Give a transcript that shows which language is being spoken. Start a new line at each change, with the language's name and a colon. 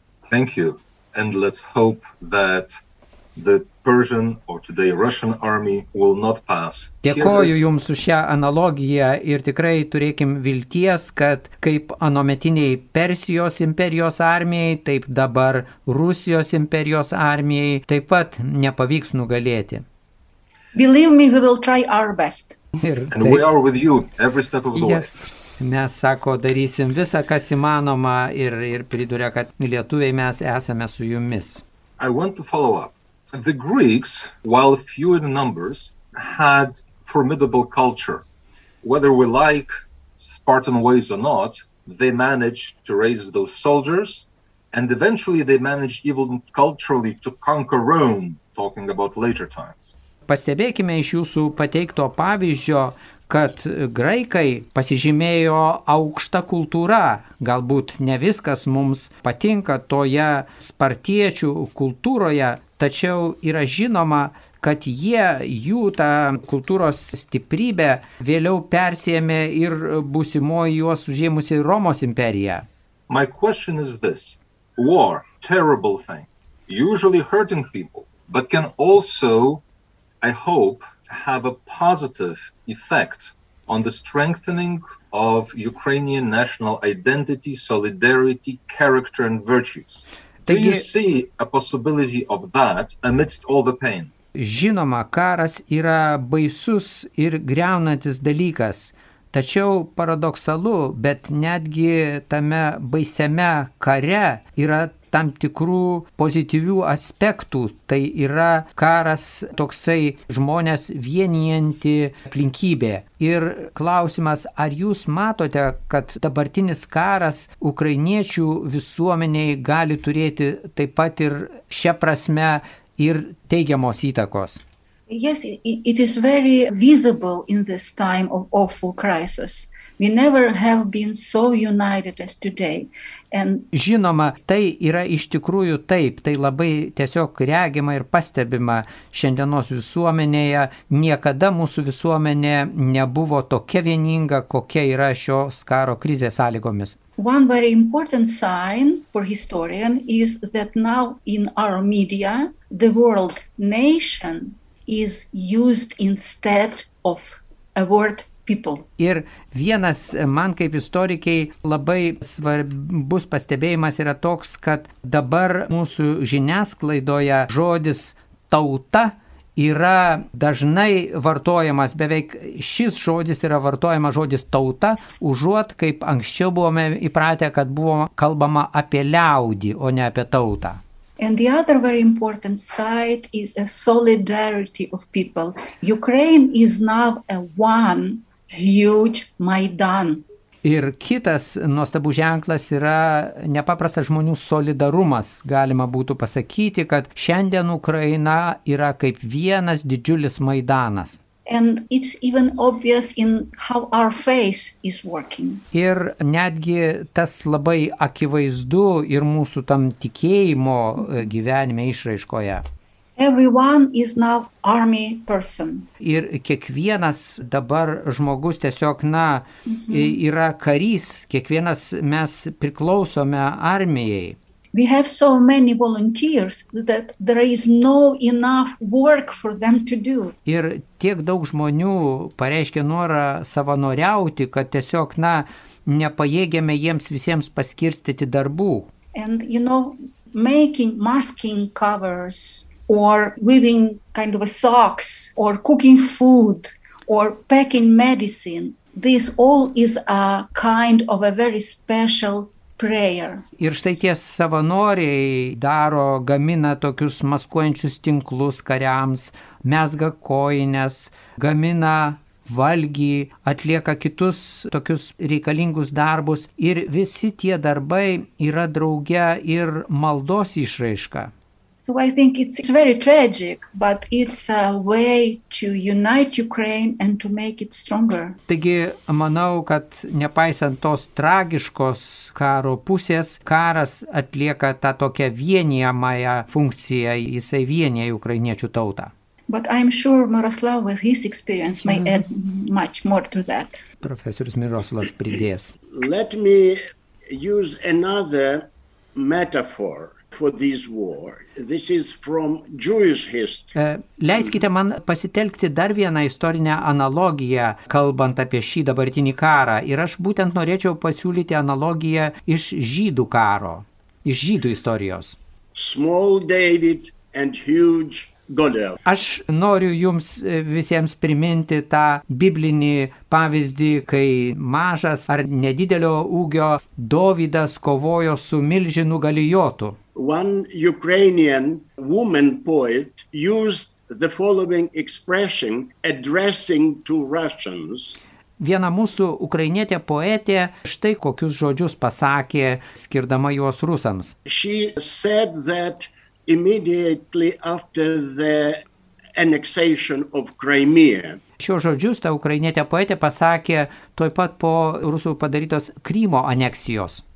English: Thank you. And let's hope that the Persian or today Russian army will not pass.
Lithuanian: Dėkoju jums už šią analogiją ir tikrai turėkim vilties, kad kaip anometiniai Persijos imperijos armijai, taip dabar Rusijos imperijos armijai taip pat nepavyks nugalėti.
English: Believe me, we will try our best. And we are with you every step of the yes. way.
Lithuanian: Mes, sako, darysim visą, kas įmanoma ir priduria, kad lietuviai mes esame su jumis.
English: I want to follow up. The Greeks, while few in numbers, had formidable culture. Whether we like Spartan ways or not, they managed to raise those soldiers, and eventually they managed even culturally to conquer Rome, talking about later times.
Lithuanian: Pastebėkime iš jūsų pateikto pavyzdžio, kad graikai pasižymėjo aukšta kultūra. Galbūt ne viskas mums patinka toje spartiečių kultūroje, tačiau yra žinoma, kad jie jų tą kultūros stiprybę vėliau persėmė ir būsimoji juos užėmusi Romos imperija.
English: My question is this. War, terrible thing, usually hurting people, but can also, I hope, have a positive effect on the strengthening of Ukrainian national identity, solidarity, character and virtues. Do you see a possibility of that amidst all the pain?
Lithuanian: Žinoma, karas yra baisus ir griaunantis dalykas. Tačiau paradoksalu, bet netgi tame baisiame kare yra tam tikrų pozityvių aspektų. Tai yra karas toksai žmonės vienijanti aplinkybė. Ir klausimas, ar jūs matote, kad dabartinis karas ukrainiečių visuomeniai gali turėti taip pat ir šią prasme ir teigiamos įtakos?
English: Yes, it is very visible in this time of awful crisis. We never have been so united as today. And
Lithuanian: žinoma, tai yra iš tikrųjų taip, tai labai tiesiog regima ir pastebima šiandienos visuomenėje. Niekada mūsų visuomenė nebuvo tokia vieninga, kokia yra šios karo krizės sąlygomis.
English: One very important sign for historian is that now in our media, the world nation is used instead of a word people.
Lithuanian: Ir vienas man kaip istorikei labai svarbus pastebėjimas yra toks, kad dabar mūsų žiniasklaidoje žodis tauta yra dažnai vartojamas, beveik šis žodis yra vartojamas žodis tauta, užuot kaip anksčiau buvome įpratę, kad buvo kalbama apie liaudį, o ne apie tautą.
English: And the other very important side is a solidarity of people. Ukraine is now a one huge Maidan.
Lithuanian: Ir kitas nuostabus ženklas yra nepaprastas žmonių solidarumas. Galima būtų pasakyti, kad šiandien Ukraina yra kaip vienas didžiulis Maidanas.
English: And it's even obvious in how our faith is working.
Lithuanian: Ir netgi tas labai akivaizdu ir mūsų tam tikėjimo gyvenime išraiškoje.
English: Everyone is now army person.
Lithuanian: Ir kiekvienas dabar žmogus tiesiog, na, yra karys, kiekvienas mes priklausome armijai.
English: We have so many volunteers that there is no enough work for them to do.
Lithuanian: Ir tiek daug žmonių pareiškė norą savanoriauti, kad tiesiog, na, nepajėgėme jiems visiems paskirstyti darbų.
English: And you know, making masking covers or weaving kind of a socks or cooking food or packing medicine, this all is a kind of a very special prayer.
Lithuanian: Ir štai tie savanoriai daro, gamina tokius maskuojančius tinklus kariams, mezga kojines, gamina valgį, atlieka kitus tokius reikalingus darbus. Ir visi tie darbai yra drauge ir maldos išraiška.
English: So I think it's very tragic, but it's a way to unite Ukraine and to make it stronger.
Lithuanian: Taigi, manau, kad nepaisant tos tragiškos karo pusės, karas atlieka tą tokią vienijamąją funkciją, jisai vienija ukrainiečių tautą.
English: But I'm sure Miroslav with his experience may add much more to that.
Lithuanian: Profesorius Miroslav pridės.
English: Let me use another metaphor for this war. This is from Jewish history.
Lithuanian: Leiskite man pasitelkti dar vieną istorinę analogiją, kalbant apie šį dabartinį karą. Ir aš būtent norėčiau pasiūlyti analogiją iš žydų karo, iš žydų istorijos.
English: Small David and huge Goliath.
Lithuanian: Aš noriu jums visiems priminti tą biblinį pavyzdį, kai mažas ar nedidelio ūgio Dovydas kovojo su milžinu Galijotu.
English: One Ukrainian woman poet used the following expression addressing to Russians.
Lithuanian: Viena mūsų ukrainietė poetė štai kokius žodžius pasakė, skirdama juos rusams.
English: She said that immediately after the annexation of Crimea.
Lithuanian: Šio žodžius ta ukrainietė poetė pasakė tuoj pat po rusų padarytos Krymo aneksijos.